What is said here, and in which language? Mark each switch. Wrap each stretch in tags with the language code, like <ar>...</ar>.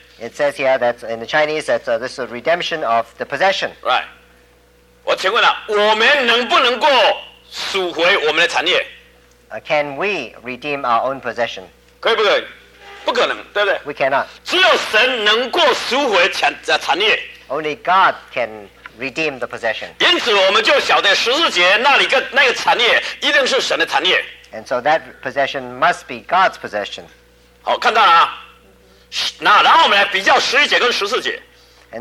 <en>It says here that in the Chinese that this is redemption of the possession. Right.</en> <zh>我请问了，我们能不能够赎回我们的产业？</zh> <en>Can we redeem our own possession?</en> <zh>可以不可以？不可能，对不对？</zh> <en>We cannot.</en> <zh>只有神能够赎回产业。</zh> <en>Only God can redeem the possession.</en> <zh>因此我们就晓得十字节那个产业一定是神的产业。</zh> <en>And so that possession must be God's possession.</en> <zh>好，看到了啊。那然后我们来比较十一节跟十四节。And</zh>